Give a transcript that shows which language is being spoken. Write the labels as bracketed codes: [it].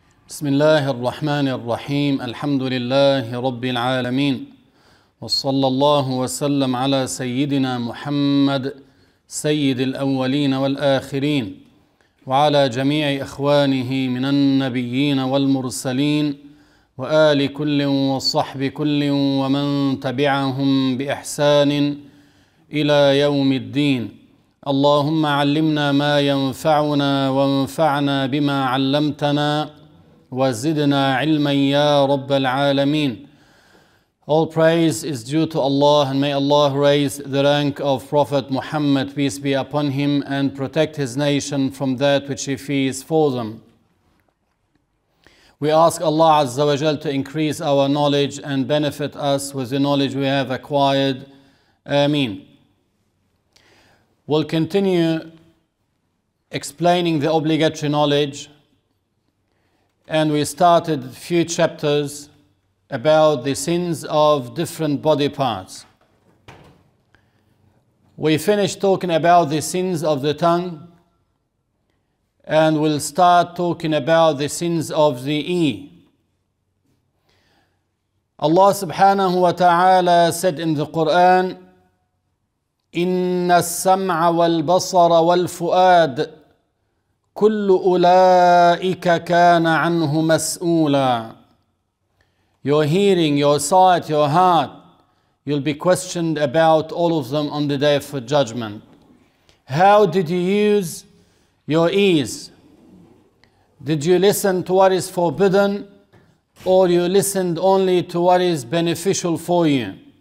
[ar] بسم الله الرحمن الرحيم الحمد لله رب العالمين وصلى الله وسلم على سيدنا محمد سيد الأولين والآخرين وعلى جميع إخوانه من النبيين والمرسلين وآل كل وصحب كل ومن تبعهم بإحسان إلى يوم الدين اللهم علمنا ما ينفعنا وانفعنا بما علمتنا وزدنا علما يا رب العالمين. [en] All praise is due to Allah, and may Allah raise the rank of Prophet Muhammad, peace be upon him, and protect his nation from that which he fears for them. We ask Allah Azza wa Jal to increase our knowledge and benefit us with the knowledge we have acquired. Ameen. We'll continue explaining the obligatory knowledge, and we started a few chapters about the sins of different body parts. We finished talking about the sins of the tongue, and we'll start talking about the sins of the ear. Allah subhanahu wa ta'ala said in the Quran, [ar] إِنَّ السَّمْعَ وَالْبَصَرَ وَالْفُؤَادِ كل أولئك كان عنه مسؤولا. [en] Your hearing, your sight, your heart, you'll be questioned about all of them on the day of judgment. How did you use your ears? Did you listen to what is forbidden, or you listened only to what is beneficial for you?